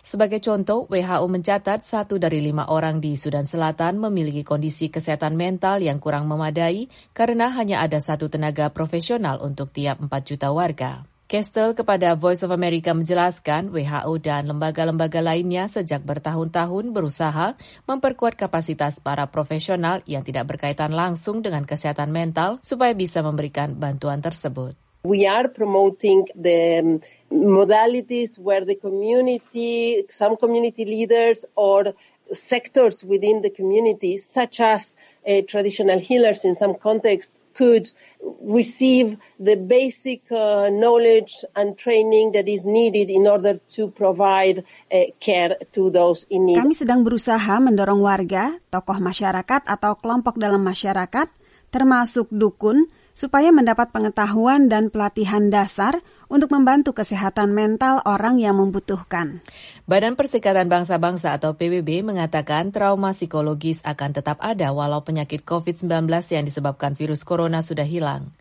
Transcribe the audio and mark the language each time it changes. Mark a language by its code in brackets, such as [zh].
[id] Sebagai contoh, WHO mencatat 1 dari 5 orang di Sudan Selatan memiliki kondisi kesehatan mental yang kurang memadai karena hanya ada 1 tenaga profesional untuk tiap 4 juta warga. Kestel kepada Voice of America menjelaskan, WHO dan lembaga-lembaga lainnya sejak bertahun-tahun berusaha memperkuat kapasitas para profesional yang tidak berkaitan langsung dengan kesehatan mental supaya bisa memberikan bantuan tersebut. [en] We are promoting the modalities where the community, some community leaders or sectors within the community, such as traditional healers in some context, could receive the basic knowledge and training that is needed in order to provide care to those in need. [id] Kami sedang berusaha mendorong warga, tokoh masyarakat atau kelompok dalam masyarakat, termasuk dukun, supaya mendapat pengetahuan dan pelatihan dasar untuk membantu kesehatan mental orang yang membutuhkan. Badan Perserikatan Bangsa-Bangsa atau PBB mengatakan trauma psikologis akan tetap ada walau penyakit COVID-19 yang disebabkan virus corona sudah hilang.